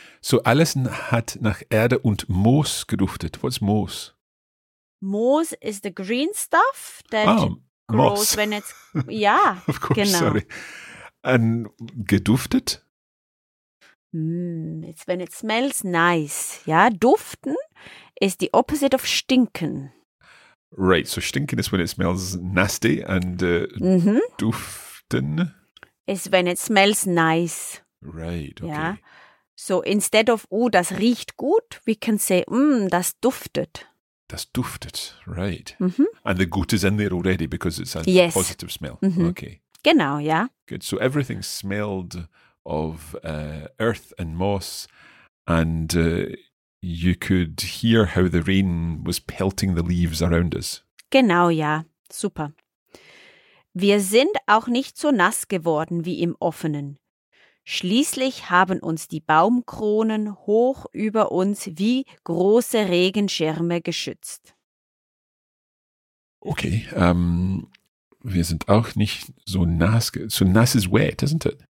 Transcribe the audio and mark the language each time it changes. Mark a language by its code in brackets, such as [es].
[de] So Alison hat nach Erde und Moos geduftet. [en] What's moos? Moos is the green stuff that grows moss. When it's... Yeah, of course, [de] genau. [en] Sorry. And geduftet? It's when it smells nice. Ja, duften is the opposite of stinken. Right, so stinken is when it smells nasty, and mm-hmm. [de] duften [en] is when it smells nice. Right, okay. Ja? So instead of, [de] oh, das riecht gut, [en] we can say, [de] das duftet. Das duftet, [en] right. [de] Mm-hmm. [en] And the gut is in there already because it's a positive smell. Mm-hmm. Okay. [de] Genau, ja. [en] Good, so everything smelled of earth and moss, and... you could hear how the rain was pelting the leaves around us. [de] Genau, ja. Super. Wir sind auch nicht so nass geworden wie im Offenen. Schließlich haben uns die Baumkronen hoch über uns wie große Regenschirme geschützt. [en] Okay, [de] wir sind auch nicht so nass. [en] So nass is wet, isn't it?